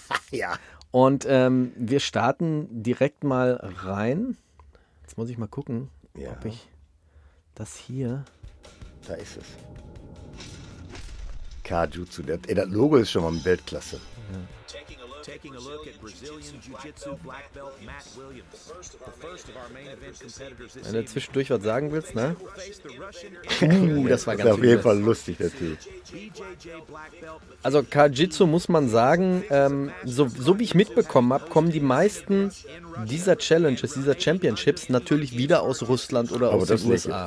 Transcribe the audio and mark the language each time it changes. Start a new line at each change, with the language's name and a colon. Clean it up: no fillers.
German: Ja. Und wir starten direkt mal rein. Jetzt muss ich mal gucken, ja, ob ich das hier... Da ist es. Kajitsu. Das Logo ist schon mal Weltklasse. Ja.
English: Taking a look at Brazilian Jiu-Jitsu Black Belt Matt Williams, the first of our main event competitors.
German: Wenn du zwischendurch was sagen willst, ne? Das war ganz auf jeden Fall lustig, der Typ. Also Jiu-Jitsu muss man sagen, so wie ich mitbekommen habe, kommen die meisten dieser Challenges, dieser Championships natürlich wieder aus Russland oder aus den USA.